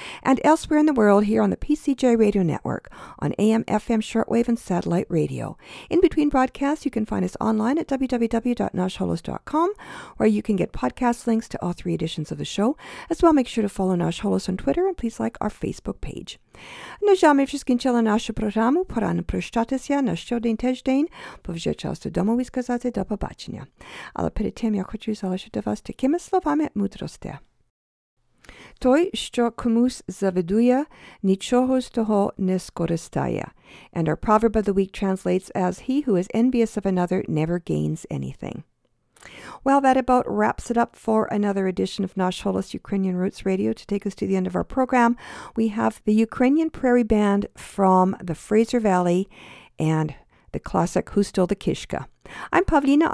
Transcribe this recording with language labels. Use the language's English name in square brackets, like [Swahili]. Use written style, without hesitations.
[English] And elsewhere in the world here on the PCJ Radio Network on AM, FM, shortwave, and satellite radio. In between broadcasts, you can find us online at www.nashholos.com, where you can get podcast links to all three editions of the show. As well, make sure to follow Nash Holos on Twitter and please like our Facebook page. [Ukrainian] Нажами вшискин чела нашу програму, пора не прощатися на щодень теждень, бо вже час додому і сказати до побачення. Але перед тим я хочу залишити вас такими словами мудрості. Той, що комусь завидує, нічого з того не скористає. [English] And our proverb of the week translates as, he who is envious of another never gains anything. Well, that about wraps it up for another edition of Nash Holos Ukrainian Roots Radio. To take us to the end of our program, we have the Ukrainian Prairie Band from the Fraser Valley and the classic Who Stole the Kishka. I'm Pavlina.